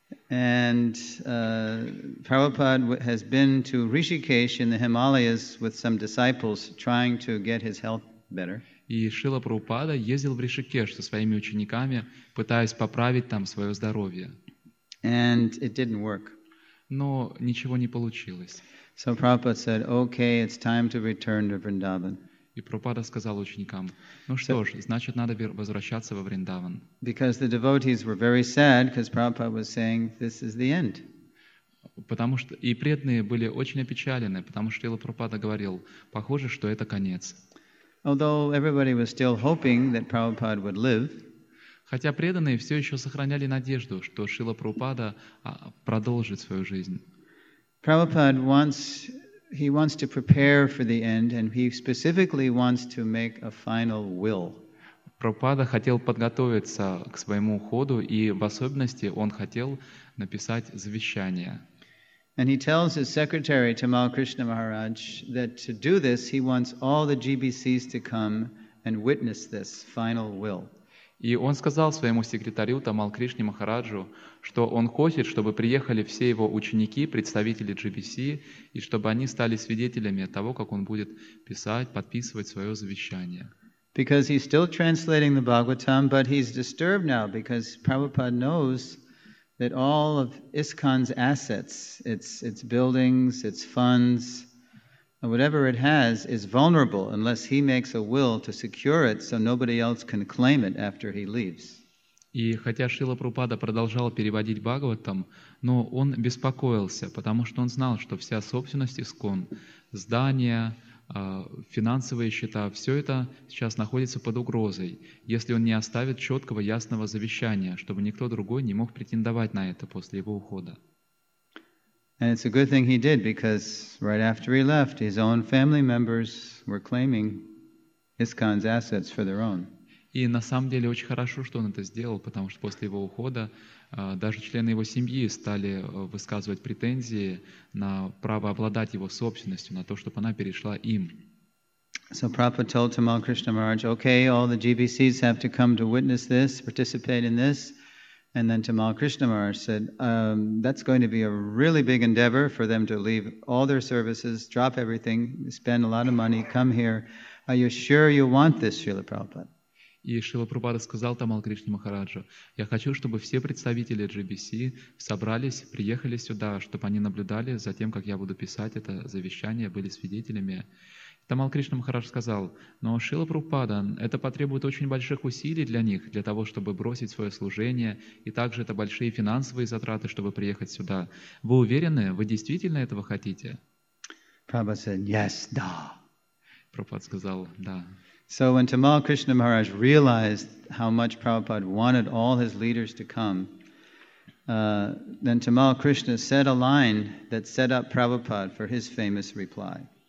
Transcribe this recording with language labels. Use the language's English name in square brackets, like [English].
[English] And Prabhupada has been to Rishikesh in the Himalayas with some disciples trying to get his health better. [Russian] И Шрила Прабхупада ездил в Ришикеш со своими учениками, пытаясь поправить там свое здоровье. [English] And it didn't work. [Russian] Но ничего не получилось. [English] So Prabhupada said, "Okay, it's time to return to Vrindavan." [Russian] И Прабхупада сказал ученикам: "Ну что ж, значит, надо возвращаться во Вриндаван." [English] Because the devotees were very sad, because Prabhupada was saying, "This is the end." [Russian] Потому что и преданные были очень опечалены, потому что Шрила Прабхупада говорил: "Похоже, что это конец." [English] Although everybody was still hoping that Prabhupada would live, [Russian] хотя преданные все еще сохраняли надежду, что Шрила Прабхупада продолжит свою жизнь. [English] Prabhupada wants, he wants to prepare for the end, and he specifically wants to make a final will. [Russian] Прабхупада хотел подготовиться к своему уходу, и в особенности он хотел написать завещание. [English] And he tells his secretary, Tamal Krishna Maharaj, that to do this, he wants all the GBCs to come and witness this final will. [Russian] И он сказал своему секретарю, Тамал Кришне Махараджу, что он хочет, чтобы приехали все его ученики, представители GBC, и чтобы они стали свидетелями того, как он будет писать, подписывать свое завещание. [English] Because he's still translating the Bhagavatam, but he's disturbed now, because Prabhupada knows that all of ISKCON's assets, its buildings, its funds, whatever it has, is vulnerable unless he makes a will to secure it so nobody else can claim it after he leaves. [Russian] И хотя Шрила Прабхупада продолжал переводить Бхагаватам, но он беспокоился, потому что он знал, что вся собственность ИСККОН, здания, финансовые счета, все это сейчас находится под угрозой, если он не оставит четкого, ясного завещания, чтобы никто другой не мог претендовать на это после его ухода. [English] And it's a good thing he did, because right after he left, his own family members were claiming ISKCON's assets for their own. [Russian] И на самом деле очень хорошо, что он это сделал, потому что после его ухода даже члены его семьи стали высказывать претензии на право обладать его собственностью, на то, чтобы она перешла им. [English] So Prabhupada told Tamal Krishna Maharaj, okay, all the GBCs have to come to witness this, participate in this. And then Tamal Krishna Maharaj said, that's going to be a really big endeavor for them to leave all their services, drop everything, spend a lot of money, come here. Are you sure you want this, Srila Prabhupada? [Russian] И Шрила Прабхупада сказал Тамал Кришне Махараджу: «Я хочу, чтобы все представители GBC собрались, приехали сюда, чтобы они наблюдали за тем, как я буду писать это завещание, были свидетелями». Тамал Кришна Махарадж сказал: «Но Шрила Прабхупада, это потребует очень больших усилий для них, для того, чтобы бросить свое служение, и также это большие финансовые затраты, чтобы приехать сюда. Вы уверены? Вы действительно этого хотите?» Прабхупада сказал: [English] «Yes, [Russian] да». Прабхупада сказал: «Да». [English] So when Tamal Krishna Maharaj realized how much Prabhupada wanted all his leaders to come, then Tamal Krishna said a line that set up Prabhupada for his famous reply.